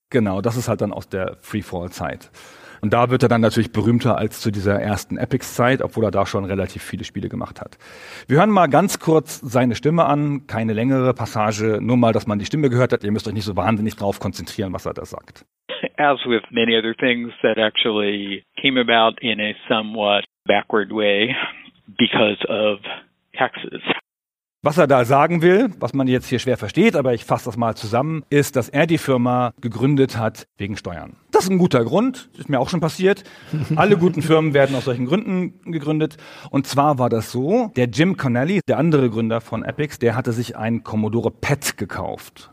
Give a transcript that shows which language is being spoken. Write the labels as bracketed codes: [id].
[de] Genau, das ist halt dann aus der Freefall-Zeit. Und da wird er dann natürlich berühmter als zu dieser ersten Epics-Zeit, obwohl er da schon relativ viele Spiele gemacht hat. Wir hören mal ganz kurz seine Stimme an, keine längere Passage, nur mal, dass man die Stimme gehört hat. Ihr müsst euch nicht so wahnsinnig drauf konzentrieren, was er da sagt. [en] As with many other things that actually came about in a somewhat backward way because of taxes. [de] Was er da sagen will, was man jetzt hier schwer versteht, aber ich fasse das mal zusammen, ist, dass er die Firma gegründet hat wegen Steuern. Das ist ein guter Grund, das ist mir auch schon passiert. Alle guten Firmen werden aus solchen Gründen gegründet. Und zwar war das so, der Jim Connelly, der andere Gründer von Epix, der hatte sich einen Commodore PET gekauft.